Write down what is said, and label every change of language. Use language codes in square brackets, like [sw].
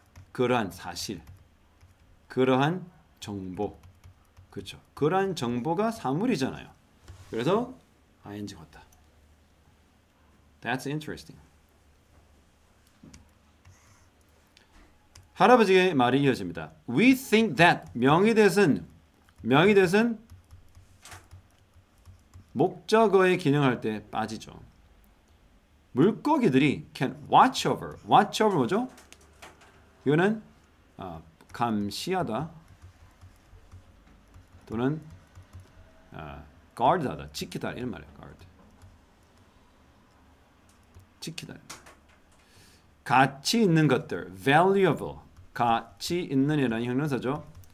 [ko] 그러한 사실, 그러한 정보, 그렇죠? 그러한 정보가 사물이잖아요. 그래서 ing 왔다. [en] That's interesting. [ko] 할아버지의 말이 이어집니다. [en] We think that [ko] 명의 대신 목적어에 기능할 때 빠지죠. 물고기들이 [en] can watch over. Watch over [ko] 뭐죠? 이거는 감시하다 또는 guard하다, 지키다 이런 말이에요. [en] Guard. [ko] 지키다. 가치 있는 것들, valuable. 가치 있는이라는 형용사죠.